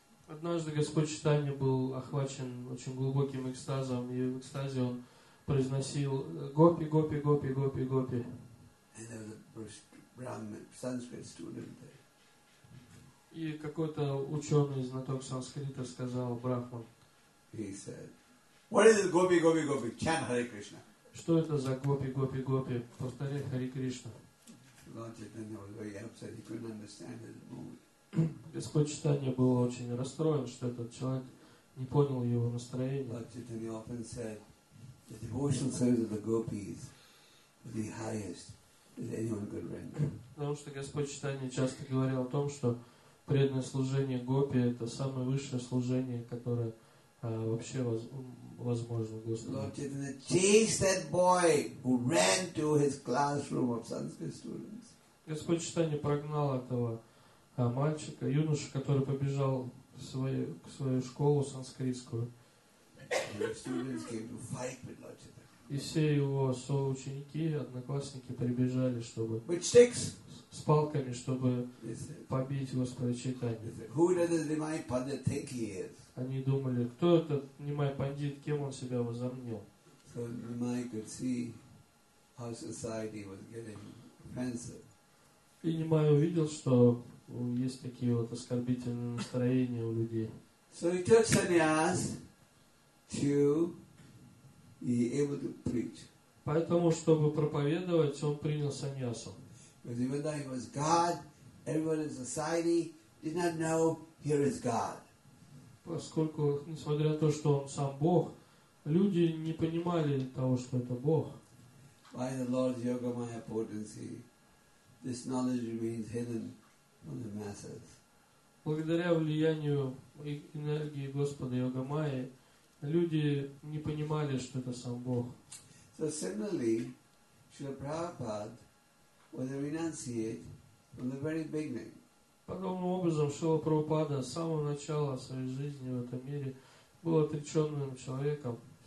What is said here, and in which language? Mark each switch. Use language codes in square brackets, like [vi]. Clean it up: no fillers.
[ru] Однажды Господь Чайтанья был охвачен очень глубоким экстазом, и в экстазе он произносил Гопи, Гопи, Гопи, Гопи, Гопи. [en] And there was a Brahmin, Sanskrit student there. [ru] И какой-то ученый, знаток санскрита, сказал Брахман. [en] He said, "What is this Gobi, Gobi, Gobi? Chant Hare Krishna." [ru] Что это за Гопи, Гопи, Гопи? Повторяй Хари Кришна. [en] Lord Chaitanya was very upset. He couldn't understand his mood. [ru] Господь Чайтанья был очень расстроен, что этот человек не понял его настроение. [en] Lord Chaitanya often said, "The devotional service of the gopis is the highest that anyone could render." [ru] Потому что Господь Чайтанья часто говорил о том, что преданное служение гопи это самое высшее служение, которое вообще возможно Господу. [en] Lord Chaitanya chased that boy who ran to his classroom of Sanskrit students. [ru] Господь Чайтанья прогнал этого мальчика, юношу, который побежал к свою школу санскритскую. [en] Students came to fight with Lord Chaitanya. [ru] И все его соученики, одноклассники прибежали, чтобы [en] with sticks. [ru] С палками, чтобы побить Господа Чайтанья. [en] Who does the Nimai Pandit think he is? [ru] Они думали, кто этот Нимай Пандит, кем он себя возомнил. [en] So Nimai could see how society was getting offensive. [ru] И Нимай увидел, что есть такие вот оскорбительные настроения у людей. [en] So he took sannyas to able to preach. [ru] Поэтому, чтобы проповедовать, он принял саньясу. [en] Because even though he was God, everyone in society did not know here is God. [ru] Поскольку, несмотря на то, что он сам Бог, люди не понимали того, что это Бог. [en] By the Lord's Yogamaya potency, this knowledge remains hidden from the masses. [ru] Благодаря влиянию энергии Господа Йогамаи, люди не понимали, что это сам Бог. [en] So similarly, Srila Prabhupada was a renunciate from the very beginning. [ru] Подобным образом, Шрила Прабхупада с самого начала своей жизни в этом мире был отреченным человеком.